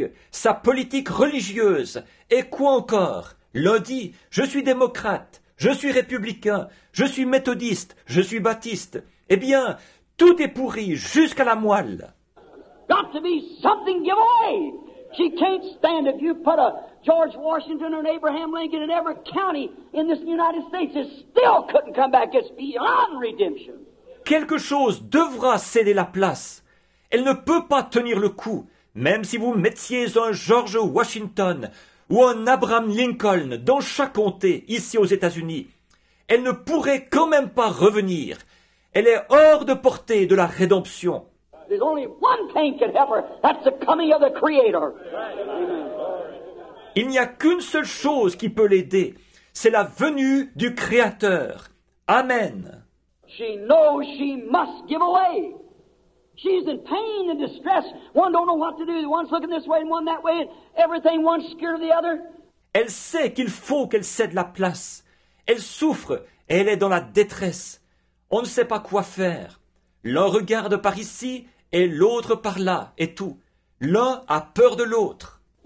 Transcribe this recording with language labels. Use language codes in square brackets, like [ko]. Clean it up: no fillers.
[fr] Sa politique religieuse, et quoi encore? L'un dit, je suis démocrate, je suis républicain, je suis méthodiste, je suis baptiste. Eh bien, tout est pourri jusqu'à la moelle. [en] Got to be something give away. She can't stand if you put a George Washington or an Abraham Lincoln in every county in this United States. It still couldn't come back. It's beyond redemption. [fr] Quelque chose devra céder la place. Elle ne peut pas tenir le coup, même si vous mettiez un George Washington ou un Abraham Lincoln dans chaque comté ici aux États-Unis. Elle ne pourrait quand même pas revenir. Elle est hors de portée de la rédemption. [en] There's only one thing can help her. That's the coming of the Creator. [fr] Il n'y a qu'une seule chose qui peut l'aider. C'est la venue du Créateur. [en] Amen. She knows she must give away. She's in pain and distress. One don't know what to do. One's looking this way and one that way. And everything, one's scared of the other. [fr] Elle sait qu'il faut qu'elle cède la place. Elle souffre et elle est dans la détresse. On ne sait pas quoi faire. L'un regarde par ici et l'autre par là et tout. L'un a peur de l'autre.